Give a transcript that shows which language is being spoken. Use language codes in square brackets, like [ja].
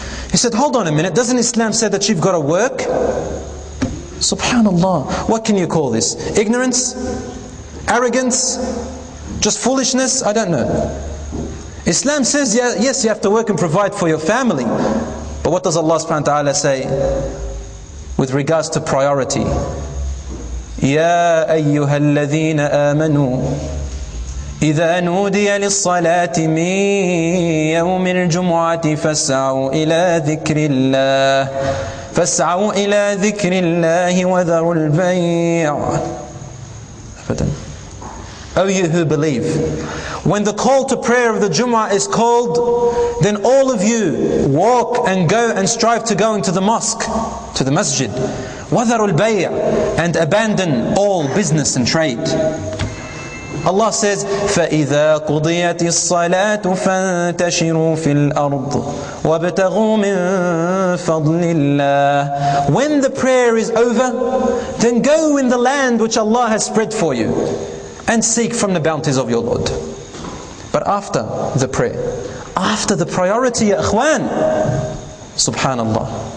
[en] He said, "Hold on a minute, doesn't Islam say that you've got to work?" Subhanallah, what can you call this? Ignorance? Arrogance? Just foolishness? I don't know. Islam says, yeah, yes, you have to work and provide for your family. But what does Allah subhanahu wa ta'ala say with regards to priority? [ar] "Ya ayyuha alladhina amanu, إذا نودي للصلاة من يوم الجمعة فاسعوا إلى ذكر الله فاسعوا إلى ذكر الله وذروا البيع." [en] O you who believe, when the call to prayer of the Jumu'ah is called, then all of you walk and go and strive to go into the mosque, to the masjid. [ar] وَذَرُوا الْبَيْعَ, [en] and abandon all business and trade. Allah says, [ar] فَإِذَا قُضِيَتِ الصَّلَاةُ فَانْتَشِرُوا فِي الْأَرْضِ وَابْتَغُوا مِنْ فَضْلِ اللَّهِ. [en] When the prayer is over, then go in the land which Allah has spread for you and seek from the bounties of your Lord. But after the prayer, after the priority, ya akhwan, subhanallah.